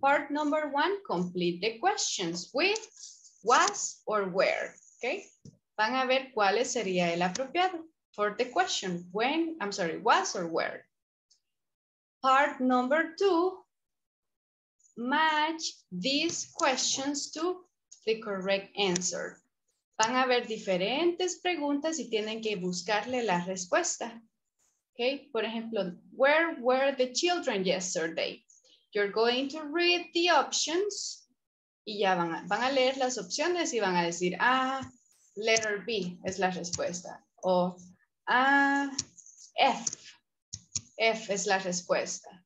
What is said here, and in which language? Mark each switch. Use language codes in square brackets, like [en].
[en] Part number one, complete the questions with was or where. Okay. [es] Van a ver cuál sería el apropiado [en] for the question. When, I'm sorry, was or where. Part number two, match these questions to the correct answer. [es] Van a ver diferentes preguntas y tienen que buscarle la respuesta. [en] Okay, [es] por ejemplo, [en] where were the children yesterday? You're going to read the options [es] y ya van a leer las opciones y van a decir, ah, letter B es la respuesta. O, F es la respuesta.